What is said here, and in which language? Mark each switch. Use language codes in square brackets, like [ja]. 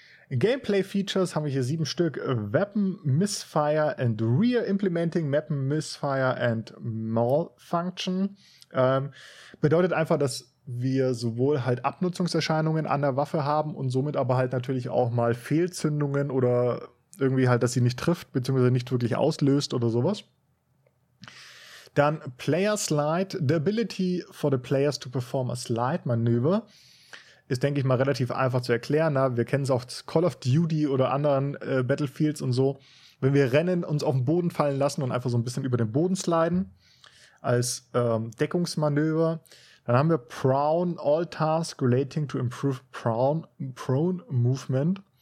[en] Gameplay Features [de] haben wir hier 7 Stück, [en] Weapon Misfire and Rear Implementing Weapon Misfire and Malfunction. [de] Bedeutet einfach, dass wir sowohl halt Abnutzungserscheinungen an der Waffe haben und somit aber halt natürlich auch mal Fehlzündungen oder irgendwie halt, dass sie nicht trifft, beziehungsweise nicht wirklich auslöst oder sowas. Dann [en] Player Slide, the ability for the players to perform a slide maneuver. [de] Ist, denke ich mal, relativ einfach zu erklären. Na, wir kennen es auch Call of Duty oder anderen Battlefields und so. Wenn wir rennen, uns auf den Boden fallen lassen und einfach so ein bisschen über den Boden sliden als Deckungsmanöver. Dann haben wir [en] Prone, all tasks relating to improve prone movement.